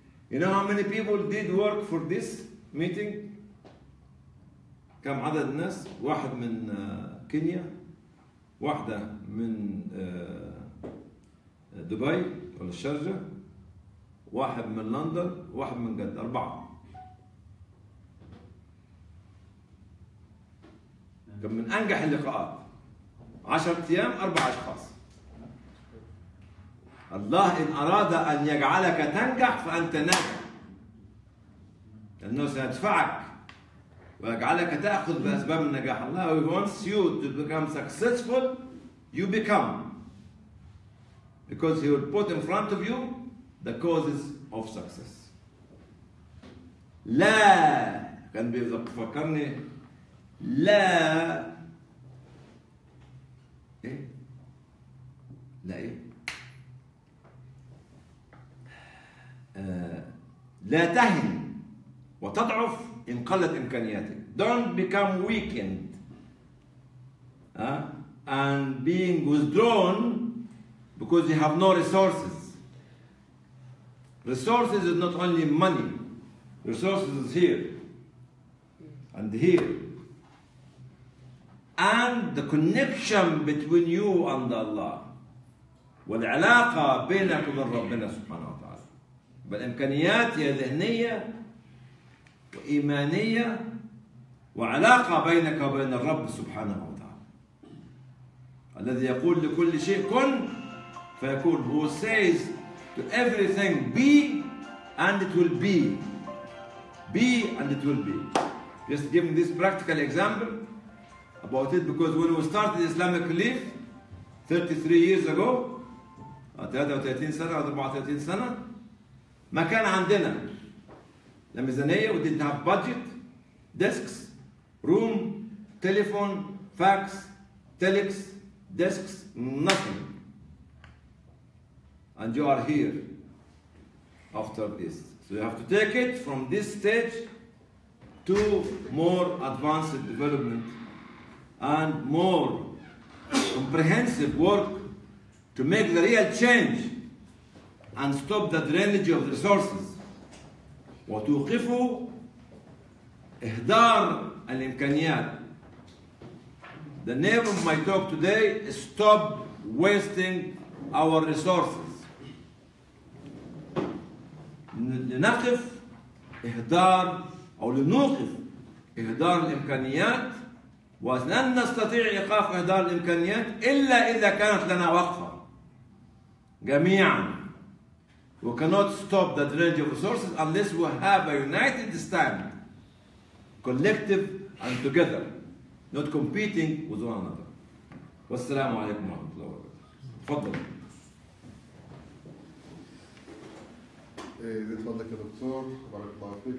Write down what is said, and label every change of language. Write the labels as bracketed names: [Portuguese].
[English] You know how many people did work for this meeting? [Arabic] كم عدد الناس؟ واحد من كينيا، واحدة من دبي ولا الشرجة، واحد من لندن واحد من جدة، أربعة. كان من أنجح اللقاءات، 10 أيام 4 أشخاص. الله إن أراد أن يجعلك تنجح فأنت ناجح، لأنه سيدفعك ويجعلك تأخذ بأسباب النجاح. [English] الله He wants you to become successful, you become, because He will put in front of you the causes of success. [Arabic] لا كان بيفكرني لا إيه؟ لا إيه؟ لا تهن وتضعف إن قلت إمكانياتك. [English] Don't become weakened and being withdrawn because you have no resources. Resources is not only money. Resources is here and here. And the connection between you and Allah. [Arabic] والعلاقة بينك وبين ربنا سبحانه وتعالى. بالإمكانيات يا ذهنية وإيمانية وعلاقة بينك وبين الرب سبحانه وتعالى. الذي يقول لكل شيء كن فيكون. [English] Who says to everything be and it will be. Be and it will be. Just giving this practical example about it, because when we started Islamic Caliph 33 years ago, [Arabic] 33 سنة أو 34 سنة، ما كان عندنا لا ميزانية، [English] we didn't have budget, desks, room, telephone, fax, telex, desks, nothing. And you are here after this. So you have to take it from this stage to more advanced development and more comprehensive work to make the real change and stop the drainage of resources. [Arabic] وتوقف إهدار الإمكانيات. [English] The name of my talk today is stop wasting our resources. [Arabic] لنقف إهدار أو لنوقف إهدار الإمكانيات، ولن نستطيع إيقاف إهدار الإمكانيات إلا إذا كانت لنا وقفة جميعا. [English] We cannot stop the drainage of resources unless we have a united stand, collective and together, not competing with one another. [Arabic] والسلام عليكم ورحمة الله وبركاته. تفضل. زيد فضلك يا دكتور، بارك الله فيك.